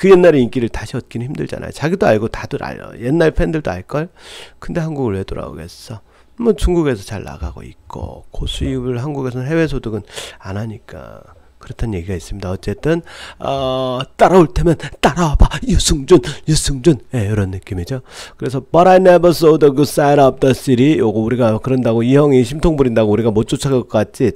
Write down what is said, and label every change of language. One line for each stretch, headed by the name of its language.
Korean: 그 옛날의 인기를 다시 얻기는 힘들잖아요. 자기도 알고 다들 알아요. 옛날 팬들도 알걸? 근데 한국을 왜 돌아오겠어? 뭐 중국에서 잘 나가고 있고, 그 수입을 한국에서는 해외 소득은 안 하니까. 그렇단 얘기가 있습니다. 어쨌든, 따라올 테면 따라와봐. 유승준, 유승준. 예, 이런 느낌이죠.
English: 그래서, But I never saw the good side of the city.
Korean: 요거 우리가 그런다고, 이 형이 심통 부린다고 우리가 못 쫓아갈 것 같지?